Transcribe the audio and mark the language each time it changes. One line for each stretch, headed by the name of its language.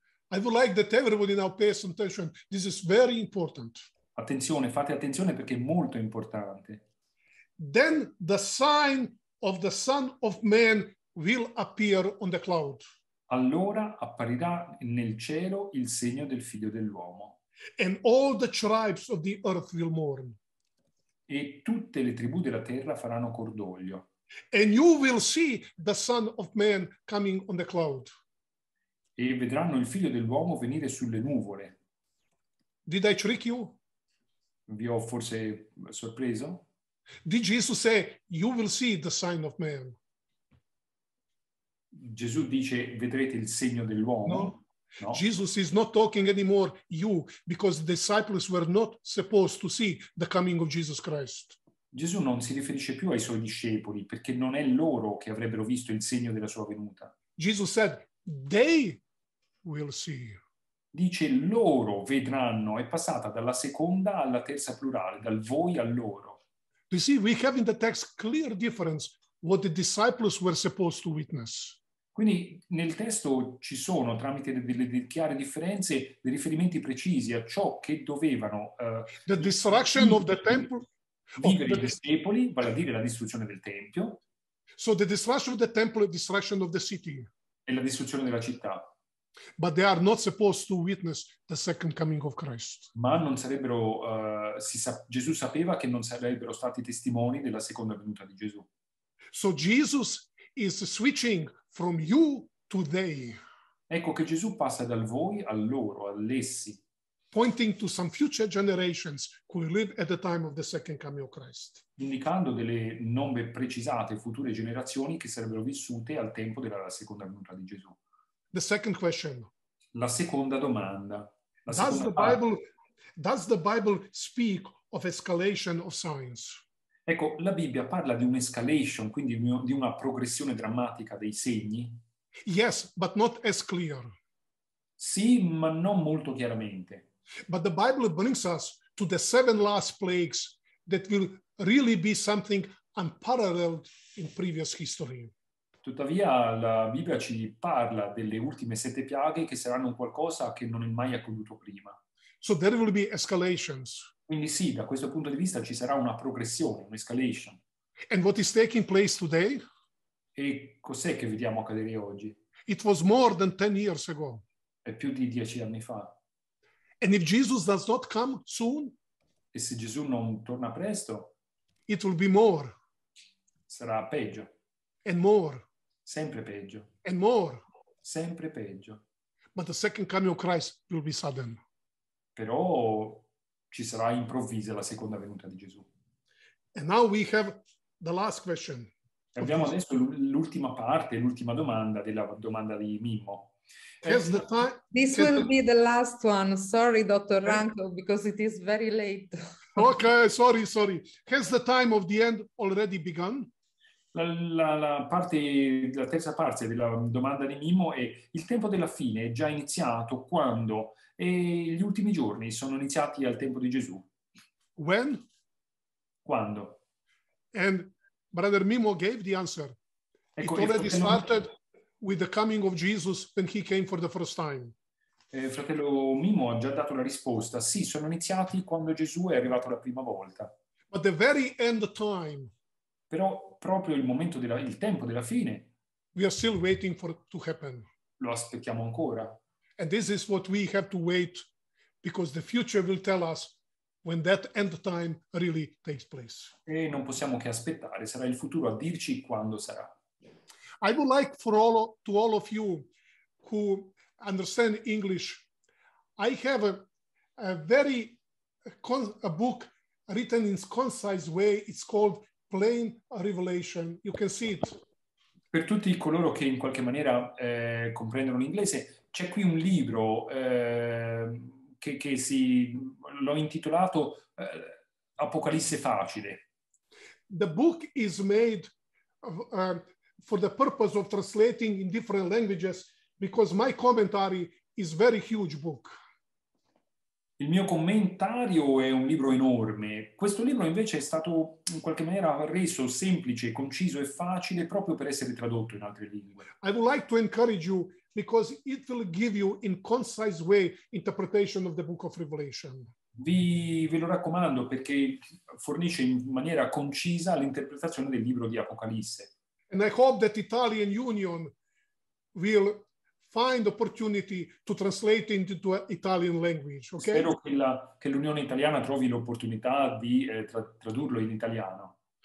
English: I would like that everybody now pays attention. This is very important.
Italian: Attenzione, fate attenzione perché è molto importante.
English: Then the sign of the Son of Man will appear on the cloud.
Italian: Allora apparirà nel cielo il segno del Figlio dell'uomo.
English: And all the tribes of the earth will mourn.
Italian: e tutte le tribù della terra faranno cordoglio.
English: And you will see the Son of Man coming on the cloud.
Italian: E vedranno il figlio dell'uomo venire sulle nuvole.
English: Did I trick you?
Italian: Vi ho forse sorpreso?
English: Did Jesus say, you will see the Son of Man?
Italian: Gesù dice, vedrete il segno dell'uomo.
English: No. Jesus is not talking anymore, you, because the disciples were not supposed to see the coming of Jesus Christ.
Italian: Gesù non si riferisce più ai suoi discepoli, perché non è loro che avrebbero visto il segno della sua venuta.
English: Jesus said, they will see.
Italian: Dice, loro vedranno, è passata dalla seconda alla terza plurale, dal voi a loro.
English: You see, we have in the text clear difference what the disciples were supposed to witness.
Italian: Quindi nel testo ci sono, tramite delle chiare differenze, dei riferimenti precisi a ciò che dovevano
English: the destruction of the temple,
Italian: vivere i discepoli, vale a dire la distruzione del Tempio.
English: So the destruction of the temple, the destruction of the city.
Italian: E la distruzione della città.
English: But they are not supposed to witness the second coming of Christ.
Italian: Ma non sarebbero, Gesù sapeva che non sarebbero stati testimoni della seconda venuta di Gesù.
English: So Jesus is switching from you to they.
Italian: Ecco che Gesù passa dal voi a loro, all'essi.
English: Pointing to some future generations who live at the time of the second coming of Christ.
Italian: Indicando delle non ben precisate future generazioni che sarebbero vissute al tempo della seconda venuta di Gesù.
English: The second question.
Italian: La seconda domanda.
English: Does the Bible speak of escalation of signs?
Italian: Ecco, la Bibbia parla di un'escalation, quindi di una progressione drammatica dei segni.
English: Yes, but not as clear.
Italian: Sì, ma non molto chiaramente.
English: But the Bible brings us to the seven last plagues that will really be something unparalleled in previous history.
Italian: Tuttavia la Bibbia ci parla delle ultime sette piaghe che saranno qualcosa che non è mai accaduto prima.
English: So there will be escalations.
Italian: Quindi sì, da questo punto di vista ci sarà una progressione, un'escalation.
English: And what is taking place today?
Italian: E cos'è che vediamo accadere oggi?
English: It was more than 10 years ago.
Italian: È più di 10 anni fa.
English: And if Jesus does not come soon?
Italian: E se Gesù non torna presto?
English: It will be more.
Italian: Sarà peggio.
English: And more.
Italian: Sempre peggio.
English: And more.
Italian: Sempre peggio.
English: But the second coming of Christ will be sudden.
Italian: Però ci sarà improvvisa la seconda venuta di Gesù.
English: And now we have the last question.
Italian: Abbiamo adesso l'ultima parte, l'ultima domanda della domanda di Mimmo.
English: This will be the last one. Sorry, Dr. Ranko, because it is very late. Okay, sorry. Has the time of the end already begun?
Italian: La terza parte della domanda di Mimmo è: il tempo della fine è già iniziato quando? E gli ultimi giorni sono iniziati al tempo di Gesù.
English: When?
Italian: Quando?
English: And Brother Mimmo gave the answer. Ecco, it already started with the coming of Jesus when he came for the first time.
Italian: Fratello Mimmo ha già dato la risposta. Sì, sono iniziati quando Gesù è arrivato la prima volta.
English: But the very end time.
Italian: Però proprio il momento della, il tempo della fine.
English: We are still waiting for it to happen.
Italian: Lo aspettiamo ancora.
English: And this is what we have to wait, because the future will tell us when that end time really takes place.
Italian: E non possiamo che aspettare, sarà il futuro a dirci quando sarà.
English: I would like for all to all of you who understand English, I have a book written in concise way. It's called Plain Revelation. You can see it.
Italian: Per tutti coloro che in qualche maniera comprendono l'inglese, c'è qui un libro che si l'ho intitolato Apocalisse facile.
English: The book is made for the purpose of translating in different languages, because my commentary is very huge book.
Italian: Il mio commentario è un libro enorme. Questo libro invece è stato in qualche maniera reso semplice, conciso e facile proprio per essere tradotto in altre lingue.
English: I would like to encourage you, because it will give you in concise way interpretation of the book of Revelation.
Italian: Vi lo raccomando perché fornisce in maniera concisa l'interpretazione del libro di Apocalisse.
English: And I hope that Italian Union will find opportunity to translate into Italian language. Okay?
Italian: Spero che l'Unione Italiana trovi l'opportunità di tradurlo in italiano.